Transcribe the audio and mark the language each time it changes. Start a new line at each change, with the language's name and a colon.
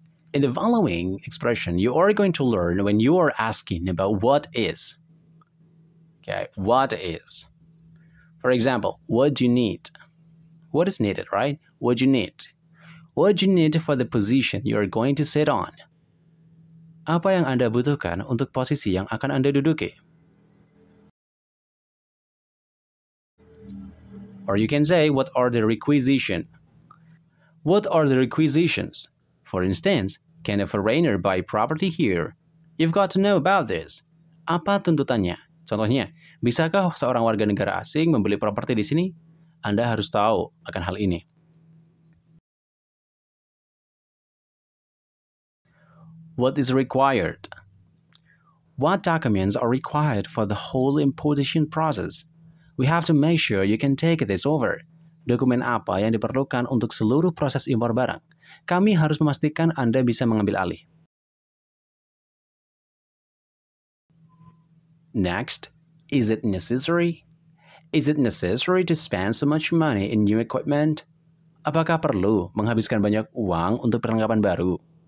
English: In the following expression, you are going to learn when you are asking about what is. Okay, what is? For example, what do you need? What is needed, right? What do you need? What do you need for the position you are going to sit on?
Indonesian: Apa yang Anda butuhkan untuk posisi yang akan Anda duduki?
English: Or you can say, what are the requisitions? What are the requisitions? For instance, can a foreigner buy property here? You've got to know about this.
Indonesian: Apa tuntutannya? Contohnya, bisakah seorang warga negara asing membeli properti di sini? Anda harus tahu akan hal ini.
English: What is required? What documents are required for the whole importation process? We have to make sure you can take this over.
Indonesian: Dokumen apa yang diperlukan untuk seluruh proses impor barang? Kami harus memastikan Anda bisa mengambil alih.
English: Next, is it necessary? Is it necessary to spend so much money in new equipment?
Indonesian: Apakah perlu menghabiskan banyak uang untuk perlengkapan baru?